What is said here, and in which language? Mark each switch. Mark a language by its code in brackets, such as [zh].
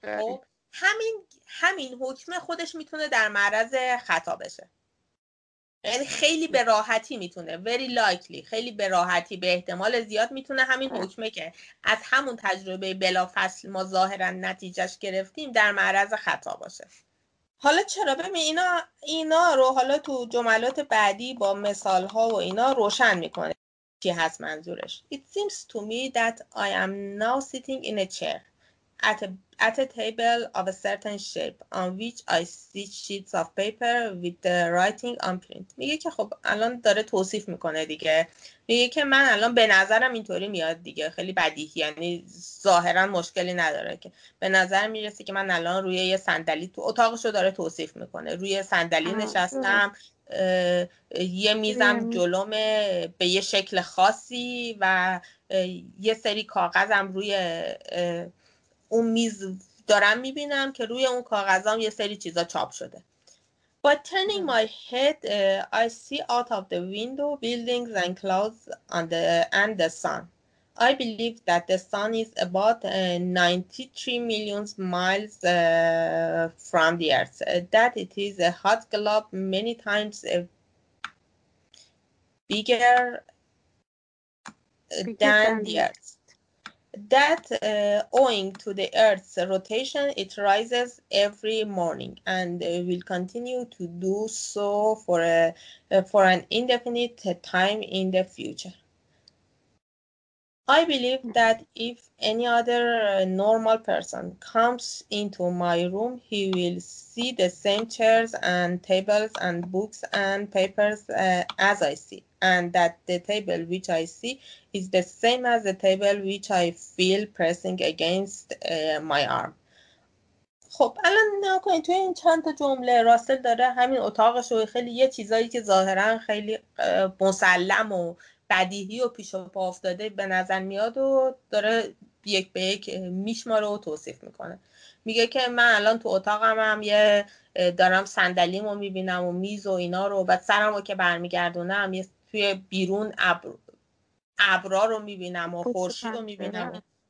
[fa] خب همین حکم خودش میتونه در معرض خطا بشه، یعنی خیلی به راحتی میتونه، [en] very likely، [fa] خیلی به راحتی به احتمال زیاد میتونه همین حکمه که از همون تجربه بلافصل ما ظاهرا نتیجهش گرفتیم در معرض خطا باشه. حالا چرا؟ ببین اینا رو حالا تو جملات بعدی با مثال ها و اینا روشن میکنه چی هست منظورش. [en] It seems to me that I am now sitting in a chair at a table of a certain shape on which I see sheets of paper with the writing on print. [fa] میگه که خب الان داره توصیف میکنه دیگه، میگه که من الان به نظرم اینطوری میاد دیگه، خیلی بدیهی، یعنی ظاهرا مشکلی نداره که به نظر میرسه که من الان روی یه صندلی تو اتاقشو داره توصیف میکنه، روی صندلی نشستم، یه میزم جلومه به یه شکل خاصی و یه سری کاغذم روی اون میز دارم میبینم که روی اون کاغذام یه سری چیزا چاپ شده. [en] By turning my head I see out of the window buildings and clouds and the sun. I believe that the sun is about 93 million miles from the earth. That it is a hot globe many times bigger than the earth. That owing to the Earth's rotation, it rises every morning and will continue to do so for an indefinite time in the future. I believe that if any other normal person comes into my room, he will see the same chairs and tables and books and papers as I see, and that the table which I see is the same as the table which I feel pressing against my arm. [fa] خب الان نگاه کنید توی این چند تا جمله راسل داره همین اتاقش و خیلی یه چیزایی که ظاهرا خیلی مسلم و بدیهی و پیش و پا افتاده به نظر میاد و داره یک به یک میشماره و توصیف میکنه. میگه که من الان تو اتاقم هم یه دارم صندلیمو میبینم و میز و اینا رو، بعد سرمو که برمیگردونم یه توی بیرون ابرا رو میبینم و خورشید رو میبینم.